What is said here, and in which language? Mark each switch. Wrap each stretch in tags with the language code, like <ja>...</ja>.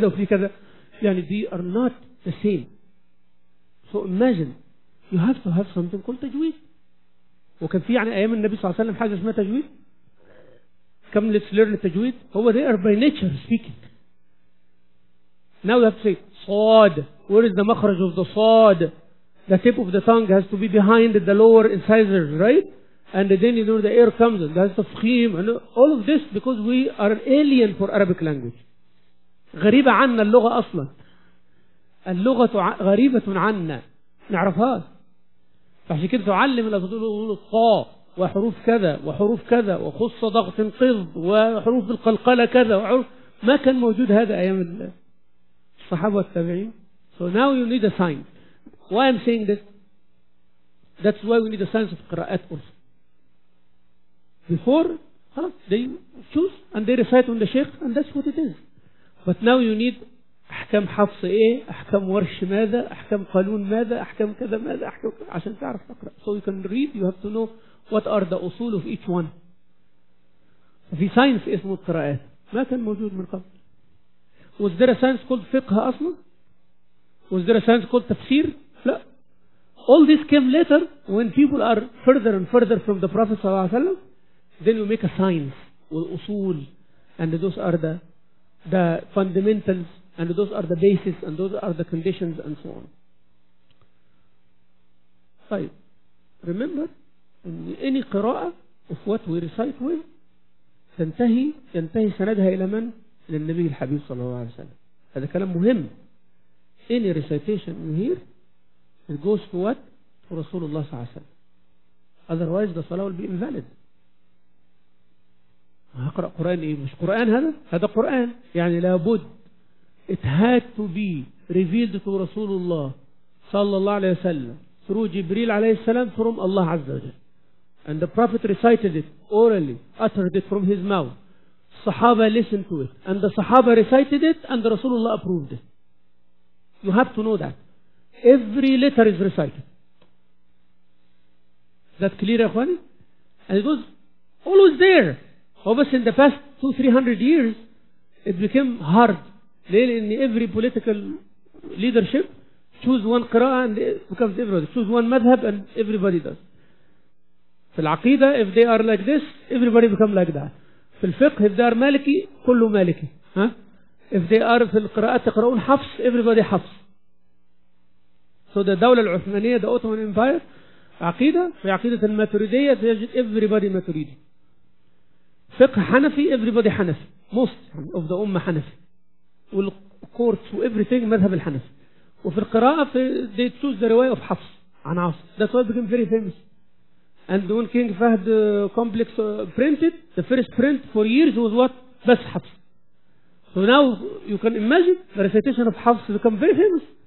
<en>They are not the same. So imagine, you have to have something called tajweed.</en> <ar>وكان في يعني أيام النبي صلى الله عليه وسلم حاجة اسمها تجويد.</ar> <en>Come let's learn التجويد. هو they are by nature speaking. Now you have to say صاد. Where is the مخرج of the صاد? The tip of the tongue has to be behind the lower incisors, right? And then you know the air comes in. That's the فخيم. All of this because we are alien for Arabic language.</en> <ar>غريبة عنا اللغة أصلا. اللغة غريبة عنا. نعرفها. فعشان كده تعلم الأطفال قا وحروف كذا وحروف كذا وخص ضغط قض وحروف القلقلة كذا وحروف, ما كان موجود هذا أيام الصحابة والتابعين.</ar> <en>So now you need a sign. Why I'm saying this? That's why we need a science of قراءات also. Before they choose and they recite on the sheikh and that's what it is. But now you need</en> <ar>أحكام حفص إيه, أحكام ورش ماذا, أحكام قالون ماذا, أحكام كذا ماذا, أحكام كذا, عشان تعرف تقرأ.</ar> <en>So you can read, you have to know what are the أصول of each one.</en> <ar>في ساينس اسمه القراءات ما كان موجود من قبل.</ar> <en>Was there a science called فقه أصلا؟ Was there a science called تفسير؟ لا. All this came later when people are further and further from the Prophet</en> <ar>صلى الله عليه وسلم.</ar> <en>Then you make a science والأصول, and those are the fundamentals, and those are the basis, and those are the conditions, and so on.</en> <ar>طيب,</ar> <en>remember, any</en> <ar>قراءة</ar> <en>of what we recite with,</en> <ar>ينتهي سندها إلى من؟ إلى النبي الحبيب صلى الله عليه وسلم. هذا كلام مهم.</ar> <en>Any recitation you hear, it goes to what? To رسول الله</en> <ar>صلى الله عليه وسلم.</ar> <en>Otherwise, the salah will be invalid.</en> <ar>هقرأ قرآن إيه؟ مش قرآن هذا؟ هذا قرآن. يعني لابد.</ar> <en>It had to be revealed to Rasulullah sallallahu alayhi wa sallam through Jibreel alayhi salam from Allah azza wa jal. And the Prophet recited it orally, uttered it from his mouth. Sahaba listened to it. And the Sahaba recited it and the Rasulullah approved it. You have to know that. Every letter is recited. Is that clear, Akhwani? And it was always there. Obviously, in the past 200-300 years, it became hard. In every political leadership, choose one Qur'an and it becomes everybody. Choose one madhab and everybody does.</en> <ar>في العقيدة,</ar> <en>if they are like this, everybody becomes like that.</en> <ar>في الفقه,</ar> <en>if they are</en> <ar>مالكي, كله مالكي. Huh?</ar> <en>If they are</en> <ar>في القراءات تقرؤون حفص, everybody حفص. So the دولة العثمانية,</ar> <en>the Ottoman Empire,</en> <ar>عقيدة, في عقيدة الماتريدية, تجد everybody ماتريدي. فقه حنفي, everybody حنفي.</ar> <en>Most of the</en> <ar>أمة حنفي.</ar> <en>والcourts, everything,</en> <ar>مذهب الحنفي. وفي القراءة,</ar> <en>they choose the</en> <ar>رواية of حفص, عن عاصم.</ar> <en>That's why it became very famous. And when King Fahd complex printed, the first print for years was what? Bas Hafs. So now you can imagine the recitation of Hafs become very famous.</en>